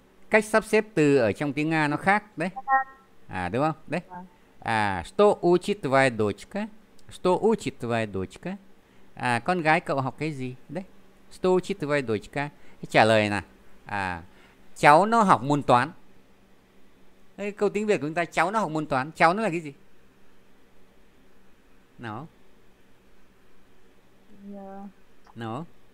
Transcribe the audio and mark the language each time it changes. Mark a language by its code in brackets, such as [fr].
[vi] Cách sắp xếp từ ở trong tiếng Nga nó khác đấy. À đúng không? [ru] Đấy. À, что учит твоя дочка? Что учит твоя дочка? [vi] À, con gái cậu học cái gì? Đấy. [ru] Что учит твоя дочка? [vi] Trả lời là cháu nó học môn toán. Đây, câu tiếng Việt của chúng ta, cháu nó học môn toán. Cháu nó là cái gì? Nó. Nó.